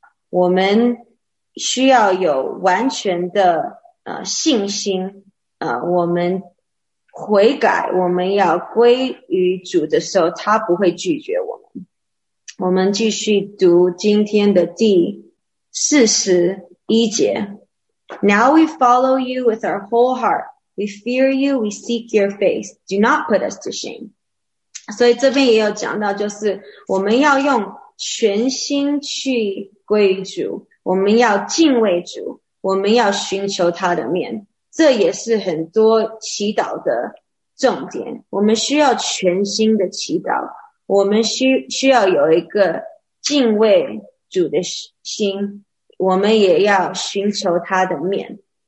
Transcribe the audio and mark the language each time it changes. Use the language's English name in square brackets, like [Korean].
[Chinese] 我们需要有完全的信心，我们悔改，我们要归于主的时候，他不会拒绝我们。我们继续读今天的第41节。 [English] Now we follow you with our whole heart. We fear you, we seek your face. Do not put us to shame. [Chinese] 所以这边也有讲到，就是我们要用全心去归于主，我们要敬畏主，我们要寻求他的面。这也是很多祈祷的重点，我们需要全心的祈祷，我们需要有一个敬畏主的心，我们也要寻求他的面。